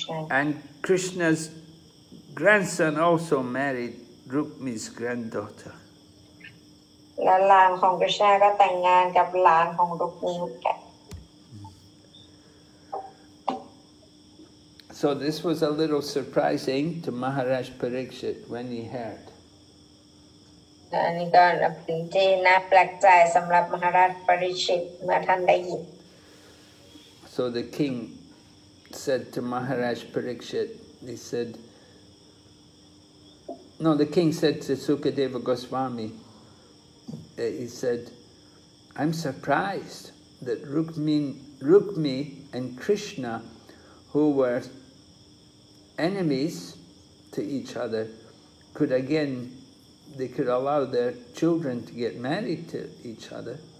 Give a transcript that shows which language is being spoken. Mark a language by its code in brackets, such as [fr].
[en] And Krishna's grandson also married Rukmini's granddaughter. [th] และหลานของกฤษณาก็แต่งงานกับหลานของรุกมินีกัน [en] So this was a little surprising to Maharaj Parikshit when he heard. [th] อันนี้ก็เป็นที่น่าแปลกใจสำหรับมหาราชปริชิตเมื่อท่านได้ยิน [en] So the king said to Maharaj Parikshit, he said, no, the king said to Sukadeva Goswami,He said, I'm surprised that Rukmini and Krishna, who were enemies to each other, could allow their children to get married to each other.